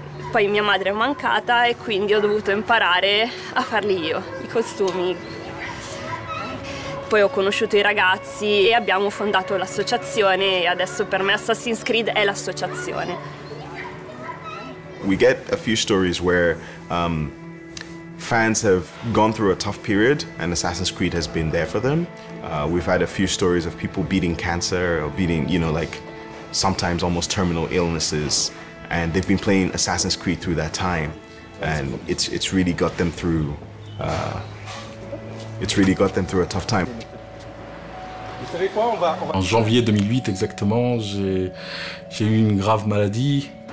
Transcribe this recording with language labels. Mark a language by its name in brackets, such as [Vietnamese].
[Italian] Poi mia madre è mancata e quindi ho dovuto imparare a farli io, i costumi. Poi ho conosciuto i ragazzi e abbiamo fondato l'associazione, e adesso per me Assassin's Creed è l'associazione. [English] We get a few stories where fans have gone through a tough period and Assassin's Creed has been there for them. We've had a few stories of people beating cancer or beating, you know, like sometimes almost terminal illnesses, and they've been playing Assassin's Creed through that time, and it's really got them through a tough time. [French] En janvier 2008 exactement, j'ai eu une grave maladie.